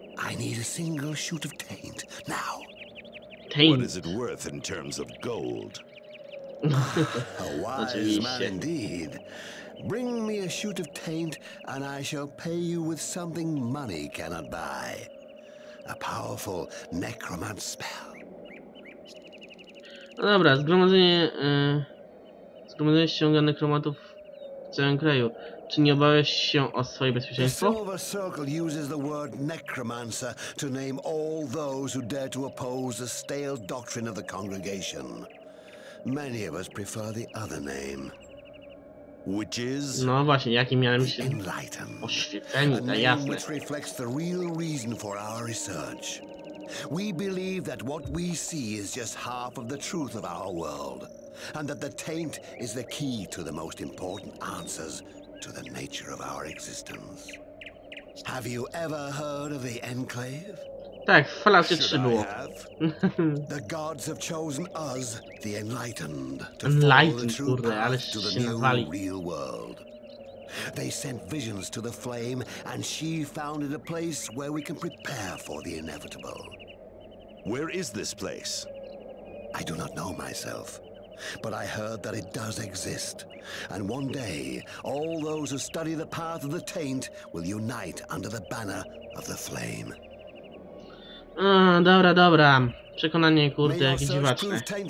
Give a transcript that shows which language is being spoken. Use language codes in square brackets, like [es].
[en] I need a single shoot of taint, now. Taint? What is it worth in terms of gold? A wise man indeed. Bring me a shoot of taint, and I shall pay you with something money cannot buy. A powerful necromant spell. [pl] No dobra, zgromadzenie ściąga nekromatów w całym kraju. Czy nie obawiasz się o swoje bezpieczeństwo? [en] The Silver Circle uses the word necromancer to name all those who dare to oppose the stale doctrine of the congregation. Many of us prefer the other name. Witches? [pl] No właśnie, jakim miałem się oświeceni, to jasne. [en] Which reflects the real reason for our research. We believe that what we see is just half of the truth of our world, and that the taint is the key to the most important answers to the nature of our existence. Have you ever heard of the Enclave? [pl] Tak, w Fallout 3 było. [en] The gods have chosen us, the Enlightened, to Enlightened, follow the true [pl] kurde, [en] path to the new real world. They sent visions to the flame, and she founded a place where we can prepare for the inevitable. Where is this place? I do not know myself, but I heard that it does exist. And one day, all those who study the path of the taint will unite under the banner of the flame. [pl] Dobra, dobra. Przekonanie, kurde, jakie dziwaczne.